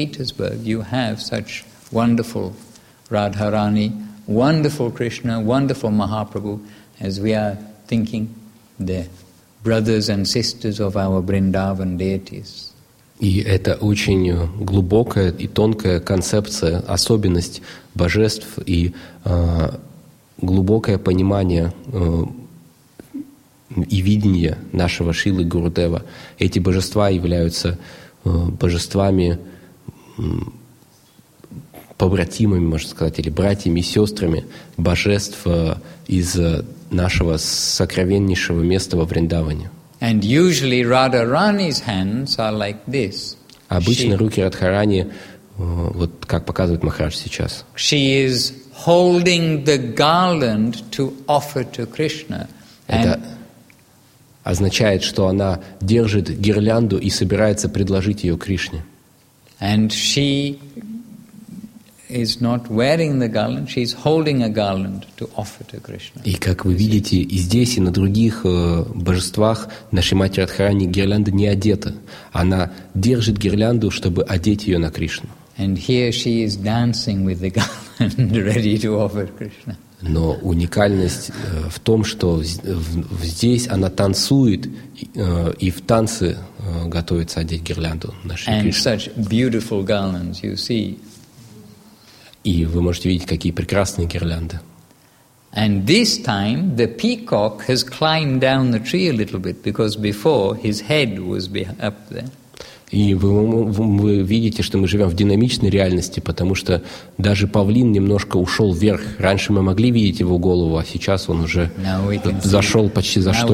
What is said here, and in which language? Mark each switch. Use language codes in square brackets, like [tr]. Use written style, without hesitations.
[en] Petersburg, you have such wonderful Radharani, wonderful Krishna, wonderful Mahaprabhu, as we are thinking, the brothers and sisters of our Vrindavan deities. [ru] И это очень глубокая и тонкая концепция, особенность божеств и глубокое понимание и видение нашего Шрилы Гурудева. Эти божества являются божествами, побратимами, можно сказать, или братьями и сестрами божеств из нашего сокровеннейшего места во Вриндаване. [en] And usually Radharani's hands are like this. [ru] Обычно руки Радхарани, вот как показывает Махарадж сейчас. [en] She is holding the garland to offer to Krishna. [ru] Это означает, что она держит гирлянду и собирается предложить ее Кришне. [en] And she is not wearing the garland, she is holding a garland to offer to Krishna. [ru] И как вы видите, и здесь, и на других божествах нашей Матери Радхарани гирлянда не одета. Она держит гирлянду, чтобы одеть ее на Кришну. [en] And here she is dancing with the garland ready to offer Krishna. [ru] Но уникальность в том, что здесь она танцует и в танце готовится одеть гирлянду нашей [en] And [ru] Кришне. [en] Such beautiful garlands, you see. [ru] И вы можете видеть, какие прекрасные гирлянды. [en] And this time the peacock has climbed down the tree a little bit, because before his head was up there. [ru] И вы видите, что мы живем в динамичной реальности, потому что даже павлин немножко ушел вверх. Раньше мы могли видеть его голову, а сейчас он уже зашел почти за штору.